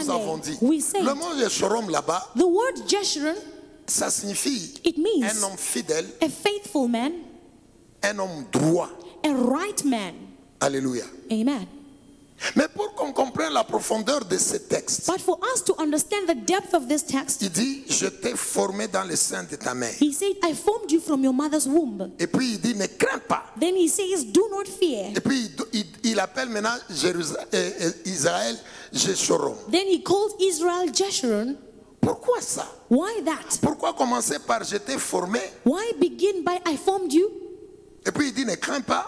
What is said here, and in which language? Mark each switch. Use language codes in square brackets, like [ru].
[en] Sunday, [fr] avons dit, [en] we said, [fr] le mot Jeshurun là-bas, [en] the word Jeshurun. [fr] Ça signifie [en] it means [fr] un homme fidèle, [en] a faithful man, [fr] un homme droit, [en] a right man. Alléluia. Amen. [fr] Mais pour qu'on comprenne la profondeur de ce texte, [en] but for us to understand the depth of this text, [fr] il dit, je t'ai formé dans le sein de ta mère. [en] He said, I formed you from your mother's womb. [fr] Et puis il dit, ne crains pas. [en] Then he says, do not fear. [fr] Et puis il appelle maintenant Jérusalem, Israël Jeshurun. [en] Then he calls Israel Jeshurun. [fr] Pourquoi ça? [en] Why that? [fr] Pourquoi commencer par je t'ai formé? [en] Why begin by I formed you? [fr] Et puis il dit ne crains pas.